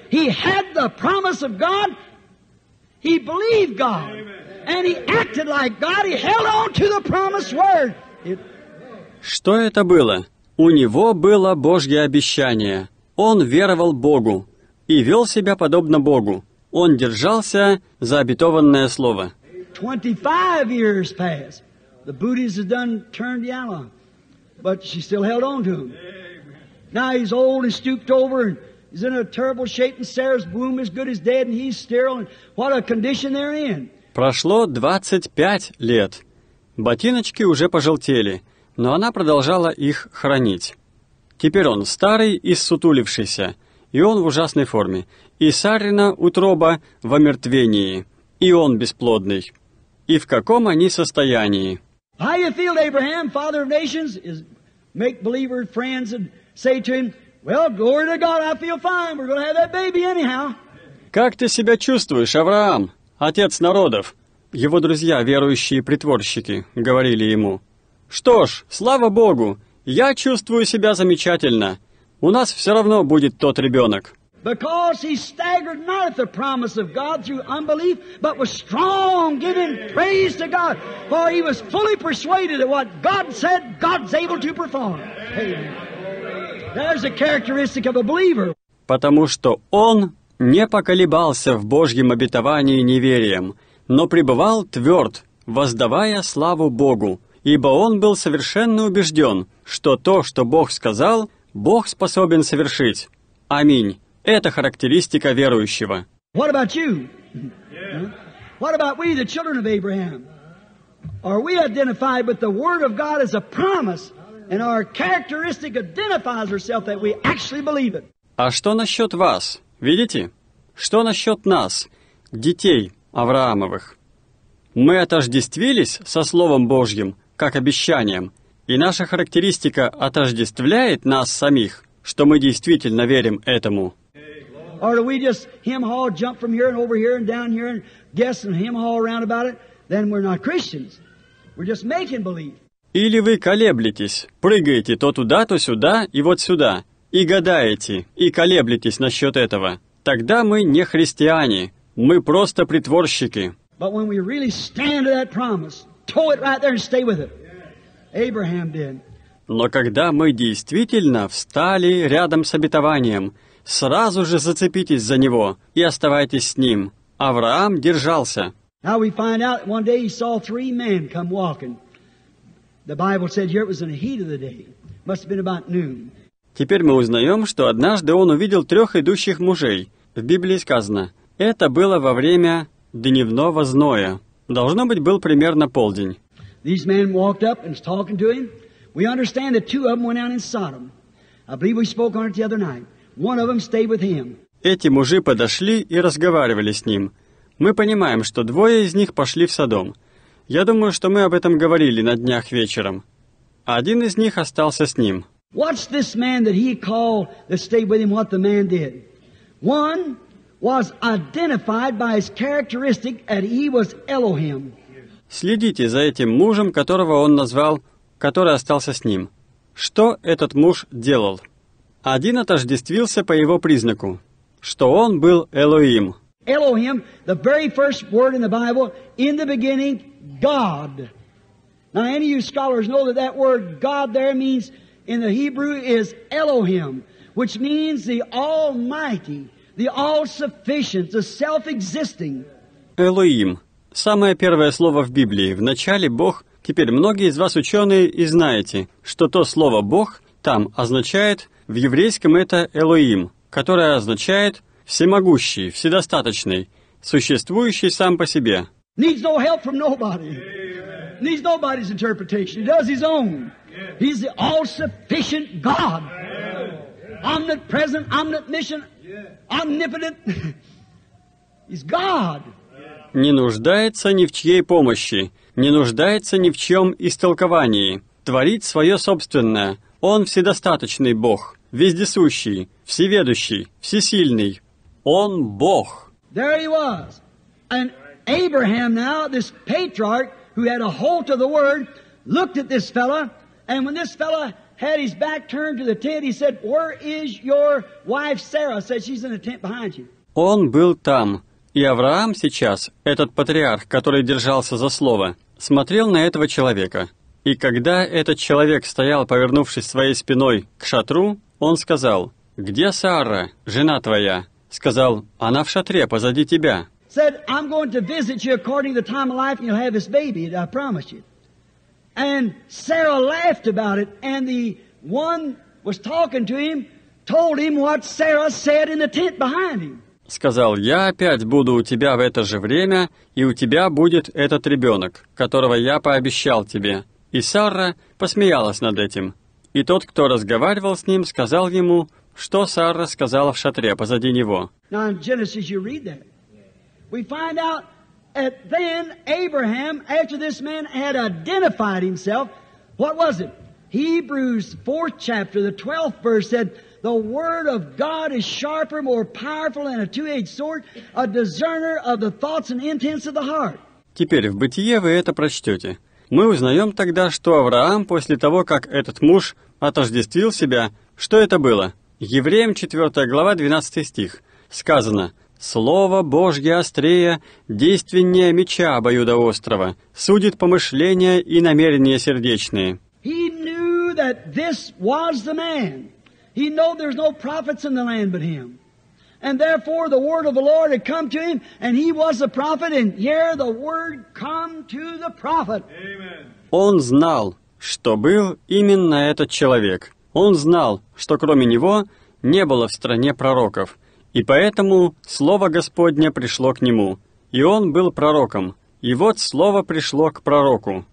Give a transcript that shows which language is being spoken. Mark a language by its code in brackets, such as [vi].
[en] He had the promise of God. He believed God. And he acted like God. He held on to the promised word. [ru] Что это было? У него было Божье обещание. Он веровал Богу и вел себя подобно Богу. Он держался за обетованное слово. [en] 25 years passed. The booties had done turned yellow, but she still held on to him. Amen. Now he's old and stooped over, and he's in a terrible shape, and Sarah's womb is good as dead, and he's sterile, and what a condition they're in. [ru] Прошло 25 лет. Ботиночки уже пожелтели, но она продолжала их хранить. Теперь он старый и ссутулившийся, и он в ужасной форме, и Сарина утроба в омертвении, и он бесплодный. И в каком они состоянии? [en] How you feel, Abraham, father of nations, is make believer friends and say to him, well, glory to God, I feel fine. We're going to have that baby anyhow. [ru] Как ты себя чувствуешь, Авраам, отец народов? Его друзья, верующие притворщики, говорили ему. Что ж, слава Богу, я чувствую себя замечательно. У нас все равно будет тот ребенок. [en] Because he staggered not at the promise of God through unbelief, but was strong, giving praise to God. For he was fully persuaded that what God said, God's able to perform. Amen. There's a characteristic of a believer. [ru] Потому что он не поколебался в Божьем обетовании неверием, но пребывал тверд, воздавая славу Богу, ибо он был совершенно убежден, что то, что Бог сказал, Бог способен совершить. Аминь. Это характеристика верующего. [en] What about you? What about we, the children of Abraham? Are we identified with the word of God as a promise, and our characteristic identifies ourselves that we actually believe it? [ru] А что насчет вас? Видите? Что насчет нас, детей Авраамовых? Мы отождествились со Словом Божьим, как обещанием, и наша характеристика отождествляет нас самих, что мы действительно верим этому. [en] Or do we just hem-haw, jump from here and over here and down here and guess and hem-haw around about it? Then we're not Christians. We're just making believe. [ru] Или вы колеблетесь, прыгаете то туда, то сюда и вот сюда, и гадаете, и колеблетесь насчет этого. Тогда мы не христиане, мы просто притворщики. [en] But when we really stand to that promise, tow it right there and stay with it. Abraham did. [ru] Но когда мы действительно встали рядом с обетованием, сразу же зацепитесь за него и оставайтесь с ним. Авраам держался. [en] Now we find out one day he saw three men come walking. The Bible said here it was in the heat of the day. Must have been about noon. [ru] Теперь мы узнаем, что однажды он увидел трех идущих мужей. В Библии сказано, это было во время дневного зноя. Должно быть, был примерно полдень. [en] These men walked up and was talking to him. We understand that two of them went out in Sodom. I believe we spoke on it the other night. One of them stayed with him. [ru] Эти мужи подошли и разговаривали с ним. Мы понимаем, что двое из них пошли в Содом. Я думаю, что мы об этом говорили на днях вечером. Один из них остался с ним. [en] What's this man that he called that stayed with him? What the man did? One was identified by his characteristic that he was Elohim. [ru] Следите за этим мужем, которого он назвал, который остался с ним. Что этот муж делал? Один отождествился по его признаку, что он был Элохим. [en] Элохим, the very first word in the Bible, in the beginning, God. Now, any of you scholars know that that word God there means, in the Hebrew, is Elohim, which means the Almighty, the All-Sufficient, the Self-Existing. [ru] Элохим. Самое первое слово в Библии. Вначале Бог. Теперь многие из вас ученые и знаете, что то слово Бог там означает В еврейском это «элоим», которое означает «всемогущий», «вседостаточный», «существующий сам по себе». [en] Needs no help from nobody. Needs nobody's interpretation. He does his own. He's the all-sufficient God. Omnipresent, omniscient, omnipotent. He's God. [ru] Не нуждается ни в чьей помощи, не нуждается ни в чьем истолковании. Творит свое собственное. Он вседостаточный Бог, вездесущий, всеведущий, всесильный. Он Бог. [en] There he was. And Abraham now, this patriarch, who had a hold to the word, looked at this fella, and when this fella had his back turned to the tent, he said, where is your wife Sarah? Said, she's in the tent behind you. [ru] Он был там. И Авраам сейчас, этот патриарх, который держался за слово, смотрел на этого человека. И когда этот человек стоял, повернувшись своей спиной к шатру, он сказал, «Где Сара, жена твоя?» Сказал, «Она в шатре, позади тебя». [en] Said, I'm going to visit you according to the time of life, and you'll have this baby, I promise you. And Sarah laughed about it, and the one was talking to him, told him what Sarah said in the tent behind him. [ru] Сказал, я опять буду у тебя в это же время, и у тебя будет этот ребенок, которого я пообещал тебе. И Сара посмеялась над этим. И тот, кто разговаривал с ним, сказал ему, что Сара сказала в шатре позади него. [en] Now in Genesis you read that. We find out that then Abraham, after this man had identified himself, what was it? Hebrews 4th chapter, the 12th verse said, The word of God is sharper, more powerful than a two-edged sword, a discerner of the thoughts and intents of the heart. [ru] Теперь в Бытие вы это прочтете. Мы узнаем тогда, что Авраам, после того, как этот муж отождествил себя, что это было? Евреям 4 глава 12 стих. Сказано, «Слово Божье острее, действеннее меча обоюдоострого, судит помышления и намерения сердечные». [en] He knew that this was the man. He knew there's no prophets in the land but him. And therefore the word of the Lord had come to him, and he was a prophet, and here the word come to the prophet. Amen. [ru] Он знал, что был именно этот человек. Он знал, что кроме него не было в стране пророков. И поэтому слово Господне пришло к нему. И он был пророком. И вот слово пришло к пророку.